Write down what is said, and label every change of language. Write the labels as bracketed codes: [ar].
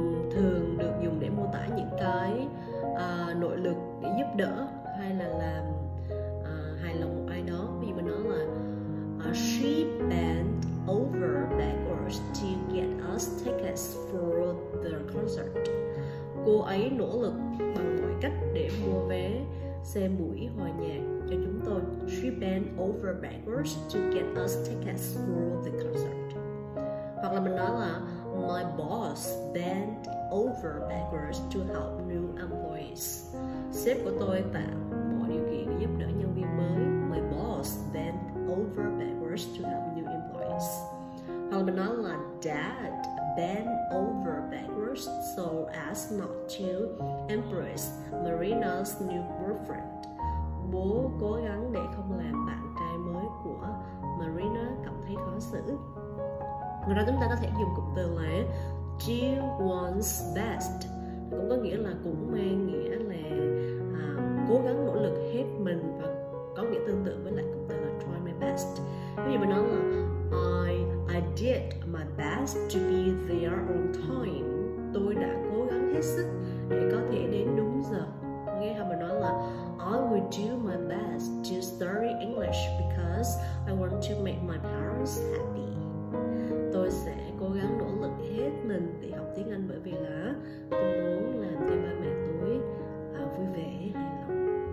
[vi] Thường được dùng để mô tả những cái nỗ lực để giúp đỡ hay là làm hài lòng một ai đó. Ví dụ mình nói là [en] she bent over backwards to get us tickets for the concert. [vi] Cô ấy nỗ lực bằng mọi cách để mua vé xem buổi hòa nhạc cho chúng tôi. [en] She bent over backwards to get us tickets for the concert. [vi] Hoặc là mình nói là [en] my boss bent over backwards to help new employees. [vi] Sếp của tôi tạo mọi điều kiện để giúp đỡ nhân viên mới. [en] My boss bent over backwards to help new employees. [vi] Hoặc mình nói là [en] dad bent over backwards so as not to embarrass Marina's new boyfriend. [vi] Bố cố gắng để không làm bạn trai mới của Marina cảm thấy khó xử. Ngoài ra chúng ta có thể dùng cụm từ là [en] do one's best, [vi] cũng có nghĩa là cũng mang nghĩa là cố gắng nỗ lực hết mình, và có nghĩa tương tự với lại cụm từ là [en] try my best. [vi] Ví dụ mình nói là [en] I did my best to be there on time. [vi] Tôi đã cố gắng hết sức để có thể đến đúng giờ. Nghe không, mình nói là [en] I will do my best to study English because I want to make my parents happy. [vi] Tôi sẽ cố gắng nỗ lực hết mình để học tiếng Anh bởi vì là tôi muốn làm cho ba mẹ tôi vui vẻ, hài lòng.